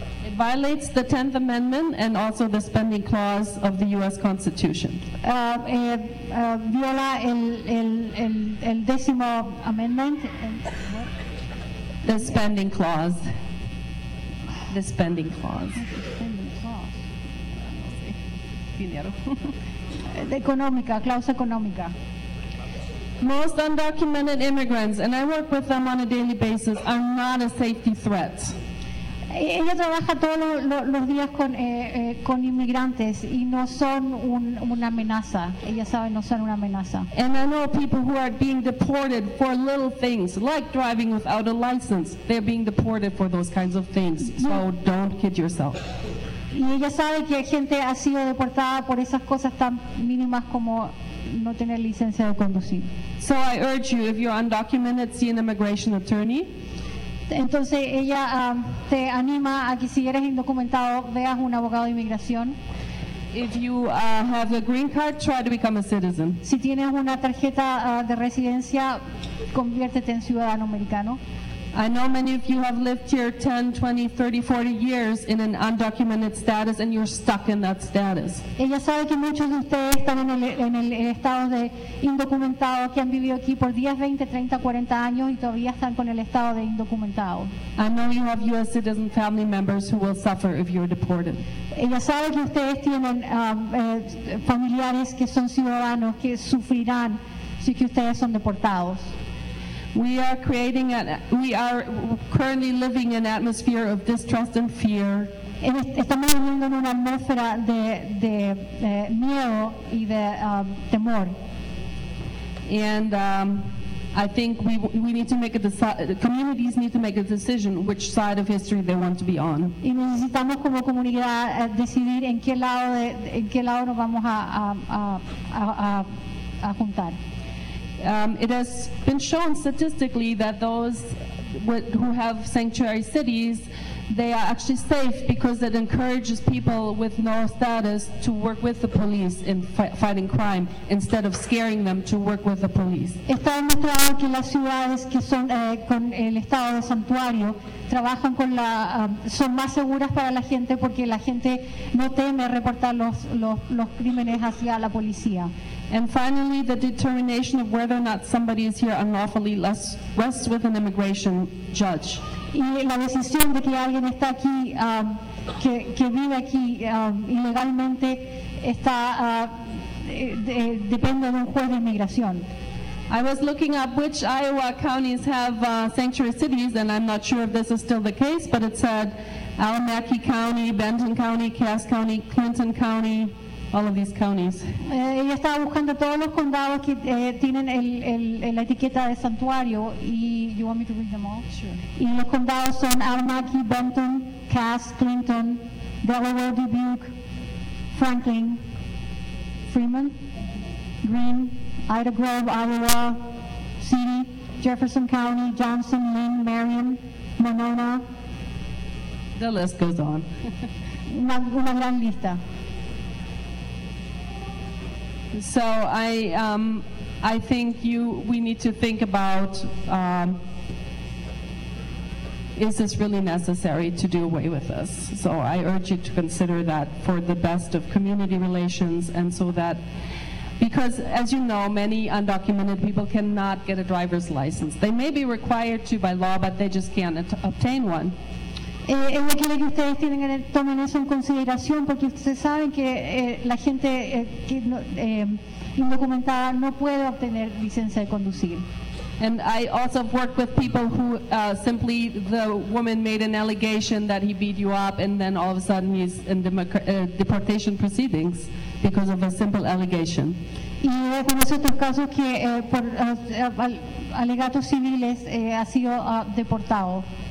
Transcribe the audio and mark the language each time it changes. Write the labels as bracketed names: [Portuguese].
[English] It violates the 10th Amendment and also the spending clause of the U.S. Constitution. [Spanish] Viola el décimo amendment. [English] The spending clause. The spending clause. [Spanish] dinero. De económica, clausa económica. [English] Most undocumented immigrants, and I work with them on a daily basis, are not a safety threat. [Spanish] Ella trabaja todos los días con inmigrantes y no son una amenaza. Ella sabe no son una amenaza. [English] And I know people who are being deported for little things, like driving without a license. They're being deported for those kinds of things. So don't kid yourself. [Spanish] Y ella sabe que gente ha sido deportada por esas cosas tan mínimas como no tener licencia de conducir. [English] So I urge you, if you're undocumented, see an immigration attorney. [Spanish] Entonces ella te anima a que si eres indocumentado veas un abogado de inmigración. [English] If you have a green card, try to become a citizen. [Spanish] Si tienes una tarjeta de residencia, conviértete en ciudadano americano. [English] I know many of you have lived here 10, 20, 30, 40 years in an undocumented status and you're stuck in that status. [Spanish] Ella sabe que muchos de ustedes están en el estado de indocumentado, que han vivido aquí por 10, 20, 30, 40 años y todavía están con el estado de indocumentado. [English] I know you have U.S. citizen family members who will suffer if you're deported. [Spanish] Ella sabe que ustedes tienen familiares que son ciudadanos que sufrirán si que ustedes son deportados. [English] We are currently living an atmosphere of distrust and fear. [Spanish] Estamos viviendo en una atmósfera de miedo y de temor. [English] And I think communities need to make a decision which side of history they want to be on. [Spanish] Y necesitamos como comunidad decidir en qué lado nos vamos a juntar. [English] It has been shown statistically that those who have sanctuary cities, they are actually safe because it encourages people with no status to work with the police in fighting crime instead of scaring them to work with the police. [Spanish] Está demostrado que las ciudades que son con el estado de santuario trabajan con la son más seguras para la gente porque la gente no teme reportar los crímenes hacia la policía. [English] And finally, the determination of whether or not somebody is here unlawfully rests with an immigration judge. [Spanish] Y la decisión de que alguien está aquí, que vive aquí ilegalmente, está depende de un juez de inmigración. [English] I was looking up which Iowa counties have sanctuary cities, and I'm not sure if this is still the case, but it said Alamaki County, Benton County, Cass County, Clinton County. All of these counties. [Spanish] Ella estaba buscando todos los condados que tienen la etiqueta de santuario. [English] Y you want me to read them all? Sure. [Spanish] Y los condados son Alamaki, Benton, Cass, Clinton, Delaware, Dubuque, Franklin, Freeman, Green, Ida Grove, Iowa City, Jefferson County, Johnson, Lynn, Marion, Monona. [English] The list goes on. [Spanish] Una gran lista. [English] So I think we need to think about is this really necessary to do away with this? So I urge you to consider that for the best of community relations, and so that, because as you know, many undocumented people cannot get a driver's license. They may be required to by law, but they just can't obtain one. [Spanish] Ella quiere que ustedes tomen eso en consideración porque ustedes saben que la gente indocumentada no puede obtener licencia de conducir. [English] And I also have worked with people who simply the woman made an allegation that he beat you up and then all of a sudden he's in deportation proceedings because of a simple allegation. [Spanish] Y conozco otros casos que por alegatos civiles ha sido deportado.